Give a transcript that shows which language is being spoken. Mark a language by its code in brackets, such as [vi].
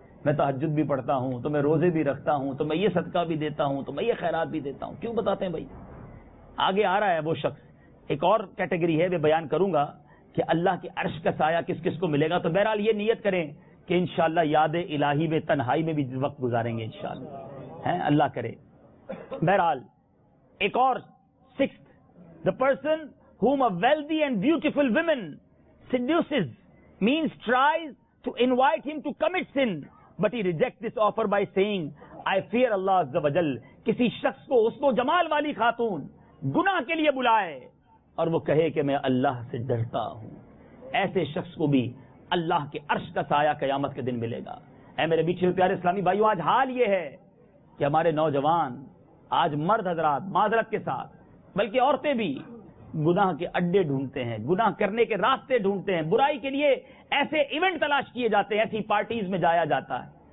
[ur] میں تہجد بھی پڑھتا ہوں, تو میں روزے بھی رکھتا ہوں, تو میں یہ صدقہ بھی دیتا ہوں, تو میں یہ خیرات بھی دیتا ہوں. کیوں بتاتے ہیں بھائی؟ آگے آ رہا ہے وہ شخص, ایک اور کیٹیگری ہے, میں بیان کروں گا کہ اللہ کے عرش کا سایہ کس کس کو ملے گا. تو بہرحال یہ نیت کریں کہ انشاءاللہ یاد الہی میں تنہائی میں بھی وقت گزاریں گے انشاءاللہ. ہیں اللہ کرے. بہرحال ایک اور, [en] sixth, the person whom a wealthy and beautiful woman seduces means tries to invite him to commit sin, but he rejects this offer by saying, I fear Allah Azza wa Jal. [ur] کسی شخص کو اس کو جمال والی خاتون گناہ کے لیے بلائے اور وہ کہے کہ میں اللہ سے ڈرتا ہوں, ایسے شخص کو بھی اللہ کے عرش کا سایہ قیامت کے دن ملے گا. اے میرے بیچے پیارے اسلامی بھائیو, آج حال یہ ہے کہ ہمارے نوجوان, آج مرد حضرات معذرت کے ساتھ بلکہ عورتیں بھی گناہ کے اڈے ڈھونڈتے ہیں, گناہ کرنے کے راستے ڈھونڈتے ہیں, برائی کے لیے ایسے ایونٹ تلاش کیے جاتے ہیں, ایسی پارٹیز میں جایا جاتا ہے.